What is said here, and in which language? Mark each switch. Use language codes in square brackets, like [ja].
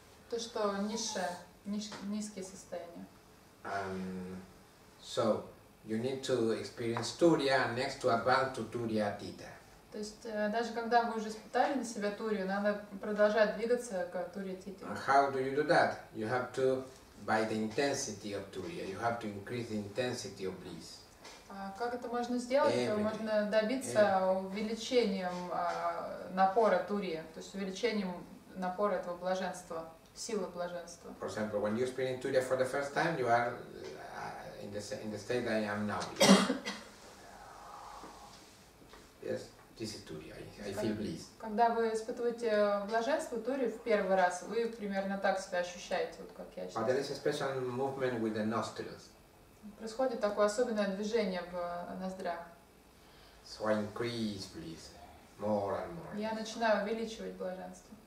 [ru] То, что низкие состояния. [en] So, you need to experience Turiya next to advance to Turiyatita. [ru] То есть даже когда вы уже испытали на себя Турию, надо продолжать двигаться к Турия-Тите. [en] How do you do that? You have to, by the intensity of Turiya, you have to increase the intensity of bliss. [ru] Как это можно сделать? [en] Everything. [ru] Можно добиться увеличением напора Турии, то есть увеличением напора этого блаженства, силы блаженства. [en] For example, when you experience Turiya for the first time, you are in the state that I am now. Yes? This is Turiya. I feel bliss. [ru] Когда вы испытываете блаженство Турии в первый раз, вы примерно так себя ощущаете, вот как я сейчас. [en] But there is a special movement with the nostrils. [ru] Происходит такое особенное движение в ноздрях. [en] So I increase bliss more and more. [ru] Я начинаю увеличивать блаженство.